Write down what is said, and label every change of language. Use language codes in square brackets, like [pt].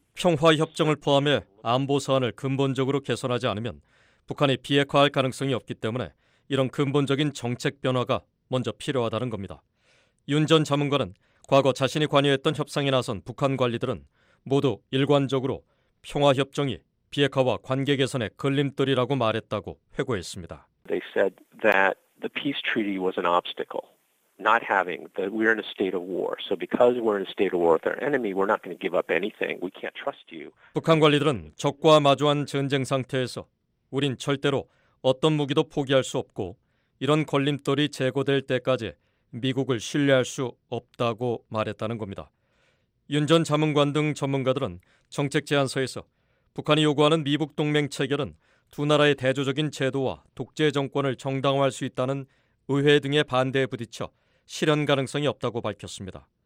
[ko] 평화협정을 포함해 안보 사안을 근본적으로 개선하지 않으면 북한이 비핵화할 가능성이 없기 때문에 이런 근본적인 정책 변화가 먼저 필요하다는 겁니다. 윤 전 자문관은 과거 자신이 관여했던 협상에 나선 북한 관리들은 모두 일관적으로 평화협정이 비핵화와 관계 개선의 걸림돌이라고 말했다고 회고했습니다. [en] They said that the peace treaty was an obstacle. Not having that we're in a state of war. So because we're in a state of war with our enemy, we're not going to give up anything. We can't trust you. [ko] 북한 관리들은 적과 마주한 전쟁 상태에서 우린 절대로 어떤 무기도 포기할 수 없고 이런 걸림돌이 제거될 때까지 미국을 신뢰할 수 없다고 말했다는 겁니다. 윤 전 자문관 등 전문가들은 정책 제안서에서 북한이 요구하는 미북 동맹 체결은 두 나라의 대조적인 제도와 독재 정권을 정당화할 수 있다는 의회 등의 반대에 부딪혀 실현 가능성이 없다고 밝혔습니다.